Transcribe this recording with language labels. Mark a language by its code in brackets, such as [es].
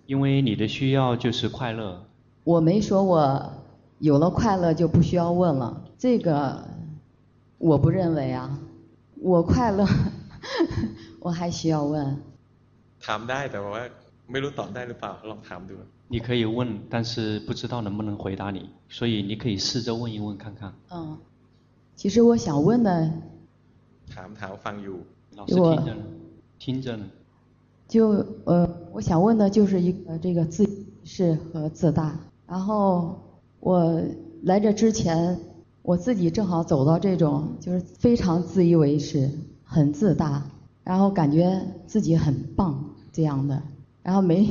[zh] 因为你的需要就是快乐我没说我有了快乐就不需要问了这个我不认为啊我快乐我还需要问 [th] ถามได้แต่ว่าไม่รู้ตอบได้หรือเปล่าลองถามดู [zh] 你可以问但是不知道能不能回答你所以你可以试着问一问看看嗯其实我想问的 [th] ถามฟังอยู่ [zh] 老师听着呢就我想问的就是一个这个自是和自大然后我来这之前我自己正好走到这种就是非常自以为是很自大然后感觉自己很棒这样的然后